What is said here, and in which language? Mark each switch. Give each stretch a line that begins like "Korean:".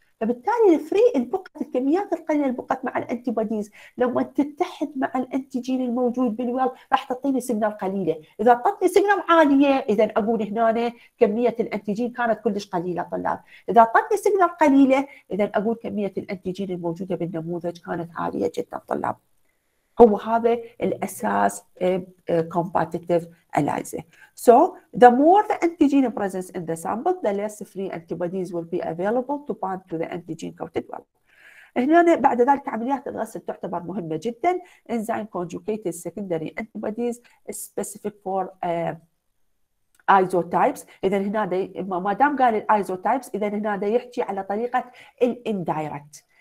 Arabic: فبالتالي الفري البقعه الكميات القليله البقعه مع الانتيبوديز لما تتحد مع الانتيجين الموجود بالويل راح تعطيني سيجنال قليله، اذا اعطتني سيجنال عاليه اذا اقول هنا كميه الانتيجين كانت كلش قليله طلاب، اذا اعطتني سيجنال قليله اذا اقول كميه الانتيجين الموجوده بالنموذج كانت عاليه جدا طلاب. هو هذا الاساس كومباتيتيف اليزا.
English: So the more the antigen presence in the sample, the less free antibodies will be available to bind to the antigen coated well.
Arabic: هنا بعد ذلك عمليات الغسل تعتبر مهمه جدا.
English: Enzyme conjugated secondary antibodies specific for isotypes.
Arabic: اذا هنا ما دام قال الايزوتايبس اذا هنا يحكي على طريقه الاندايركت.